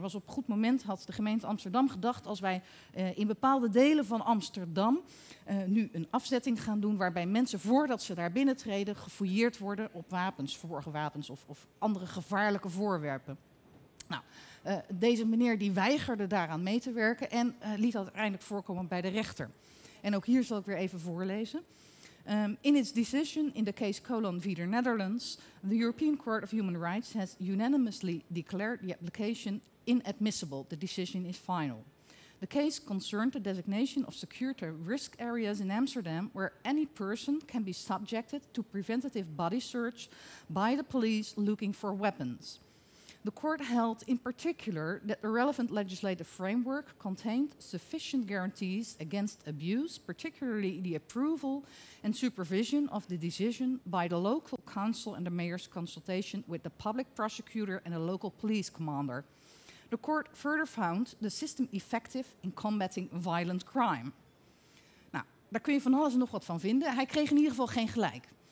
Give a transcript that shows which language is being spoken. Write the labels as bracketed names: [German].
[Dutch] Was op goed moment had de gemeente Amsterdam gedacht, als wij in bepaalde delen van Amsterdam nu een afzetting gaan doen waarbij mensen voordat ze daar binnentreden gefouilleerd worden op wapens, verborgen wapens of andere gevaarlijke voorwerpen. Nou, deze meneer die weigerde daaraan mee te werken en liet dat uiteindelijk voorkomen bij de rechter. En ook hier zal ik weer even voorlezen. [English] In its decision in the case Colon v. The Netherlands, the European Court of Human Rights has unanimously declared the application inadmissible. The decision is final. The case concerned the designation of security risk areas in Amsterdam where any person can be subjected to preventative body search by the police looking for weapons. The court held in particular that the relevant legislative framework contained sufficient guarantees against abuse, particularly the approval and supervision of the decision by the local council and the mayor's consultation with the public prosecutor and a local police commander. The court further found the system effective in combating violent crime. [Dutch] Nou, daar kun je van alles en nog wat van vinden. Hij kreeg in ieder geval geen gelijk.